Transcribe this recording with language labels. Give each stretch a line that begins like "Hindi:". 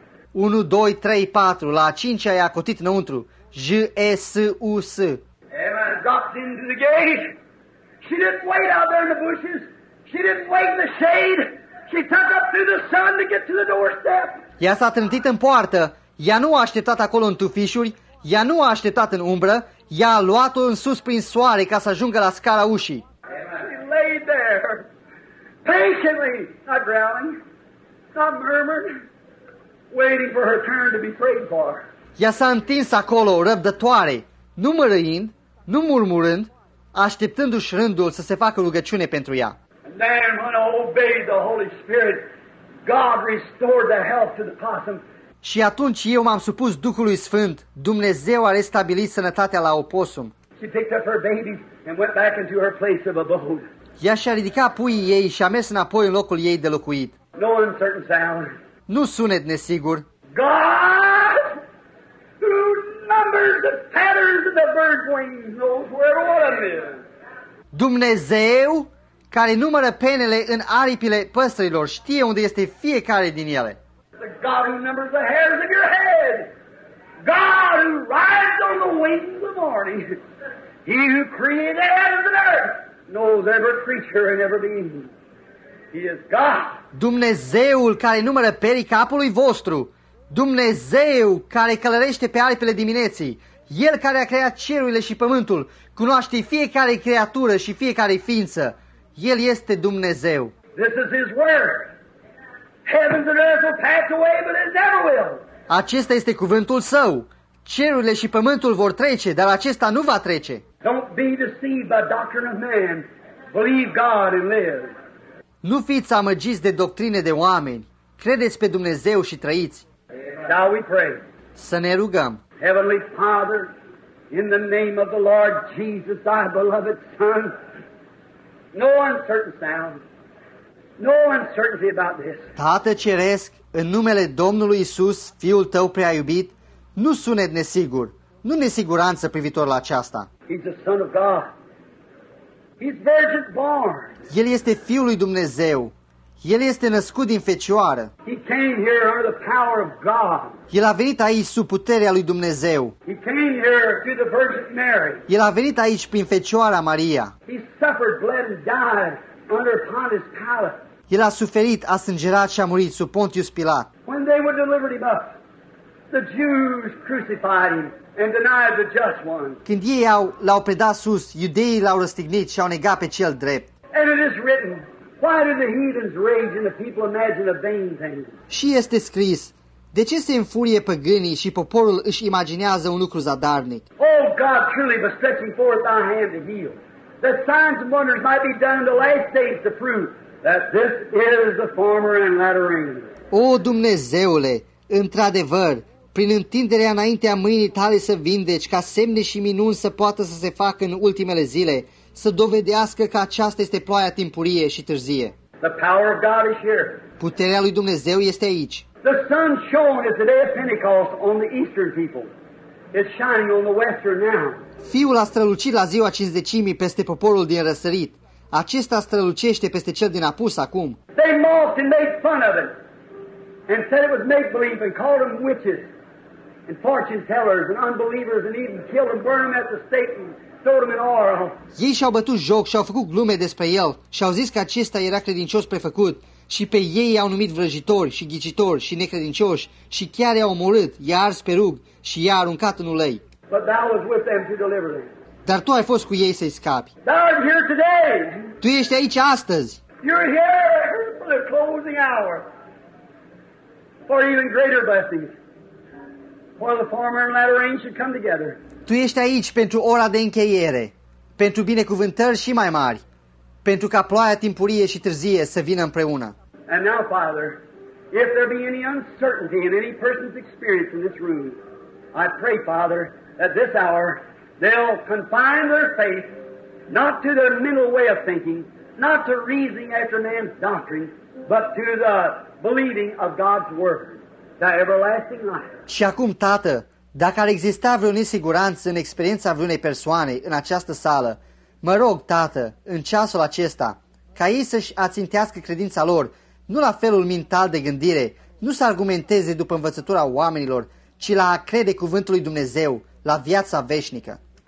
Romanian: 1, 2, 3, 4, la a cincea i-a cotit înăuntru.
English: J-E-S-U-S. Eva dropped into the gate. She didn't wait out there in the bushes. She didn't wait in the shade. She took up through the sun to get to the doorstep.
Romanian: Ea s-a trântit în poartă. Ea nu a așteptat acolo în tufișuri. Ea nu a așteptat în umbră, ea a luat-o în sus prin soare ca să ajungă la scara ușii.
English: She laid there, patiently, not growling, not murmuring, waiting for her turn to be prayed for.
Romanian: Ea s-a întins acolo, răbdătoare, nu mărâind, nu murmurând, așteptându-și rândul să se facă rugăciune pentru ea.
English: And then when I obeyed the Holy Spirit, God restored the health to the possum.
Romanian: Și atunci eu m-am supus Duhului Sfânt, Dumnezeu a restabilit sănătatea la oposum.
English: She picked up her baby and went back into her place of abode.
Romanian: Ea și-a ridicat puii ei și a mers înapoi în locul ei de locuit.
English: No uncertain sound.
Romanian: Nu sunet nesigur.
English: God, who numbers the tatters of the bird's wings, knows where one of them is.
Romanian: Dumnezeu, care numără penele în aripile păsărilor, știe unde este fiecare din ele.
English: God who numbers the hairs of your head. God who rides on the wings of the morning. He who created the heavens and earth knows every creature and every being. He is God.
Romanian: Dumnezeul care numără perii capului vostru. Dumnezeu care călărește pe aripile dimineții. El care a creat cerurile și pământul. Cunoaște fiecare creatură și fiecare ființă. El este Dumnezeu.
English: This is his word. Heavens and earth will pass away, but it never will.
Romanian: Acesta este cuvântul său. Cerurile și pământul vor trece, dar acesta nu va trece.
English: Don't be deceived by doctrine of man. Believe God and live.
Romanian: Nu fiți amăgiți de doctrine de oameni. Credeți pe Dumnezeu și trăiți.
English: Now we pray.
Romanian: Să ne rugăm.
English: Heavenly Father, in the name of the Lord Jesus, thy beloved Son, no uncertain sound. No uncertainty about this.
Romanian: Tată Ceresc, în numele Domnului Iisus, Fiul Tău prea iubit, nu sunet nesigur, nu nesiguranță privitor la aceasta.
English: He's the Son of God. He's virgin born.
Romanian: El este Fiul lui Dumnezeu. El este născut din fecioară.
English: He came here under the power of God.
Romanian: El a venit aici sub puterea lui Dumnezeu.
English: He came here through the Virgin Mary.
Romanian: El a venit aici prin Fecioara Maria.
English: He suffered, bled and died. Under Pontius Pilate.
Romanian: El a suferit, a sângerat și a murit sub Pontius Pilat.
English: When they were delivered him up, the Jews crucified him and denied the just one.
Romanian: Când ei l-au predat sus, iudeii l-au răstignit și au negat pe cel drept.
English: And it is written, why do the heathens rage and the people imagine a vain thing?
Romanian: Și este scris, de ce se înfurie păgânii și poporul își imaginează un lucru zadarnic?
English: Oh God, truly but stretching forth thy hand to heal. That signs and wonders might be done in the last days to prove that this is the former and latter reign.
Romanian: O Dumnezeule, într-adevăr, prin întinderea înaintea mâinii tale să vindeci ca semne și minuni să poată să se facă în ultimele zile, să dovedească că aceasta este ploaia timpurie și târzie.
English: The power of God is here.
Romanian: Puterea lui Dumnezeu este aici.
English: The sun shone at the day of Pentecost on the eastern people. It's shining on the western now.
Romanian: Fiul a strălucit la ziua cincizecimii peste poporul din răsărit. Acesta strălucește peste cel din apus acum.
English: They mocked and made fun of it and said it was make-believe and called them witches and fortune tellers and unbelievers and even killed and burned them at the stake and threw them in oil.
Romanian: Ei și-au bătut joc și-au făcut glume despre el și-au zis că acesta era credincios prefăcut și pe ei i-au numit vrăjitori și ghicitori și necredincioși și chiar i-au omorât, i-a ars pe rug și i-a aruncat în ulei.
English: But thou was with them to deliver them.
Romanian: Dar tu ai fost cu ei să-i scapi.
English: Thou art here today.
Romanian: Tu ești aici astăzi.
English: You're here for the closing hour. For even greater blessings. For the former and latter rain should come together.
Romanian: Tu ești aici pentru ora de încheiere. Pentru binecuvântări și mai mari. Pentru ca ploaia timpurie și târzie să vină împreună.
English: And now, Father, if there be any uncertainty in any person's experience in this room, I pray, Father, at this hour, they'll confine their faith not to their mental way of thinking, not to reasoning after man's doctrine, but to the believing of God's word, the everlasting life.
Romanian: Și acum, Tată, dacă ar exista vreo nesiguranță în experiența vreunei persoane în această sală, mă rog, Tată, în ceasul acesta, ca ei să-și ațintească credința lor, nu la felul mental de gândire, nu să argumenteze după învățătura oamenilor, ci la a crede cuvântul lui Dumnezeu, la viața veșnică.